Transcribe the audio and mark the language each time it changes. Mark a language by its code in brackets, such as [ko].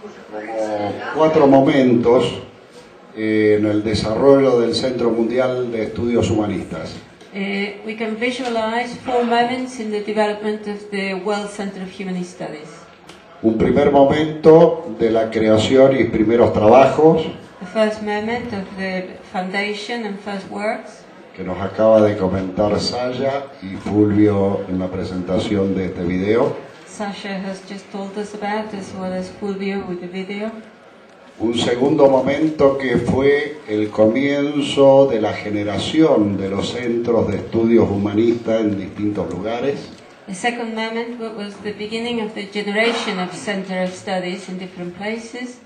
[es] Como cuatro momentos en el desarrollo del Centro Mundial de Estudios Humanistas. [en] We can visualize four moments in the development of the World Center of Human Studies. [es] Un primer momento de la creación y primeros trabajos. [en] The first moment of the foundation and first works. [es] Que nos acaba de comentar Saya y Fulvio en la presentación de este video. [en] Sasha has just told us about, as well as Fulvio with the video. [es] Un segundo momento que fue el comienzo de la generación de los centros de estudios humanistas en distintos lugares. [en] The second moment was the beginning of the generation of centers of studies in different places.